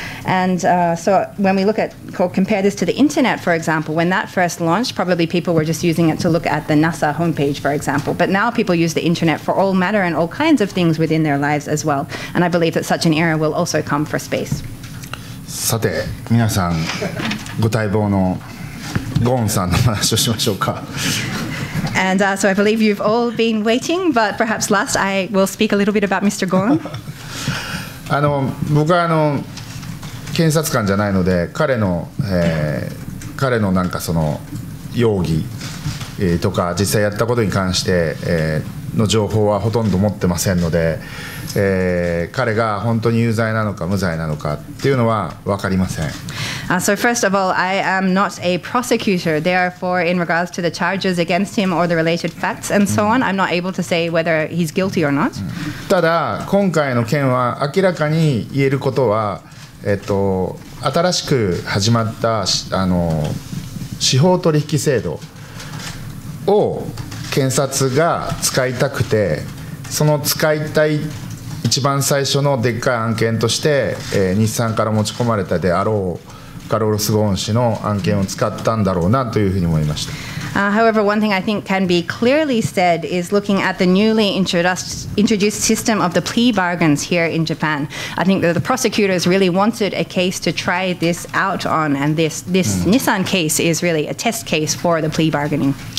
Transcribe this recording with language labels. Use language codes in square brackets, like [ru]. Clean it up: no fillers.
[en] And so when we look at, compare this to the internet, for example, when that first launched, probably people were just using it to look at the NASA homepage, for example. But now people use the internet for all matter and all kinds of things within their lives as well. And I believe that such an era will also come for space. [ja] さて皆さんご待望のゴーンさんの話をしましょうか。 [en] And so I believe you've all been waiting, but perhaps last I will speak a little bit about Mr. Gon. [ja] 僕は検察官じゃないので彼の、彼のなんかその容疑、とか実際やったことに関して、の情報はほとんど持ってませんので、彼が本当に有罪なのか無罪なのかっていうのは分かりません。 [en] So first of all, I am not a prosecutor. Therefore, in regards to the charges against him or the related facts and so on, I'm not able to say whether he's guilty or not. [ja] ただ今回の件は明らかに言えることは、新しく始まった司法取引制度を検察が使いたくて、その使いたい一番最初のでっかい案件として、日産から持ち込まれたであろうカロルス・ゴーン氏の案件を使ったんだろうなというふうに思いました。 [en] However, one thing I think can be clearly said is looking at the newly introduced system of the plea bargains here in Japan. I think that the prosecutors really wanted a case to try this out on, and this Nissan case is really a test case for the plea bargaining.